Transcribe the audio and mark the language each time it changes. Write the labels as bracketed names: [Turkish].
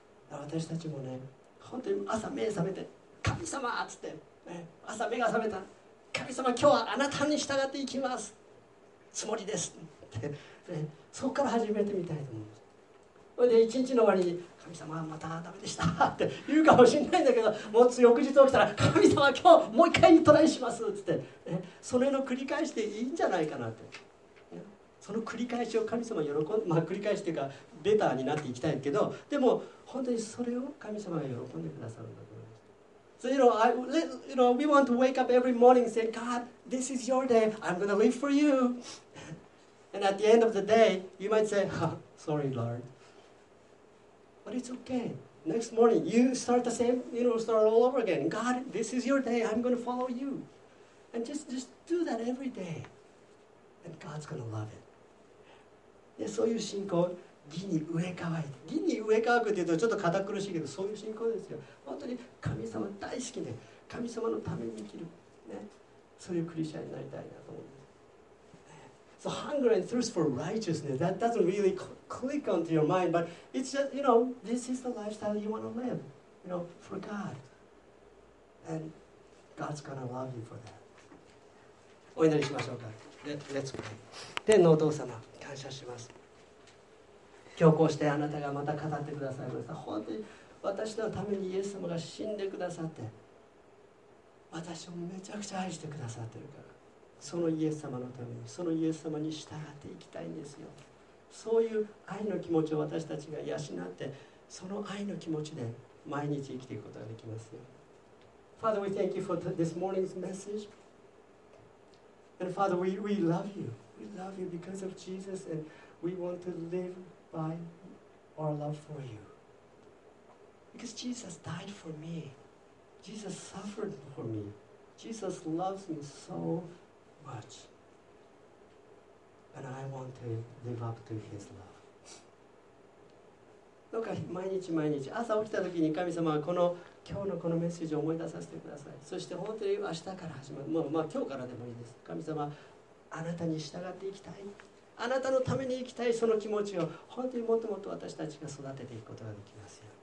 [Japanese] 私たちもね、本当に朝目覚めて、神様っつって、ね、朝目が覚めた、神様今日はあなたに従っていきますつもりですって、ね、そこから始めてみたいと思います。それで一日の終わりに、神様はまたダメでしたって言うかもしれないんだけど、もう翌日起きたら、神様は今日もう一回トライしますって言って、それの繰り返しでいいんじゃないかなって。その繰り返しを神様喜ん、まあ繰り返しというかベターになっていきたいけど、でも本当にそれを神様が喜んでくださるんだと思います。 [English] So, you know, we want to wake up every morning and say, God, this is your day. I'm going to live for you. And at the end of the day, you might say, sorry, Lord. But it's okay. Next morning, you start the same, you know, start all over again. God, this is your day. I'm going to follow you. And just do that every day. And God's going to love it. [Japanese] で、そういう信仰、義に植え替わい。義に植え替わくっていうとちょっと堅苦しいけど、そういう信仰ですよ。本当に神様大好きで、神様のために生きる。ね、そういうクリスチャンになりたいなと思うんです。ね、 [English] So hunger and thirst for righteousness, that doesn't really click onto your mind, but it's just, you know, this is the lifestyle you want to live, you know, for God. And God's going to love you for that. [Japanese] お祈りしましょうか。 [English] Let's pray. [Japanese] 天のお父様、感謝します。今日こうしてあなたがまた語ってくださいました。本当に私のためにイエス様が死んでくださって、私をめちゃくちゃ愛してくださってるから、そのイエス様のために、そのイエス様に従っていきたいんですよ。そういう愛の気持ちを私たちが養って、その愛の気持ちで毎日生きていくことができますよ。 [English] Father, we thank you for this morning's message. And Father, we love you. We love you because of Jesus, and we want to live by our love for you. Because Jesus died for me. Jesus suffered for me. Jesus loves me so much. And I want to live up to his love. [Japanese] どうか毎日毎日、朝起きた時に神様はこの今日のこのメッセージを思い出させてください。そして本当に明日から始まる、まあ今日からでもいいです。神様、あなたに従っていきたい。あなたのために生きたい、その気持ちを本当にもっともっと私たちが育てていくことができますよ。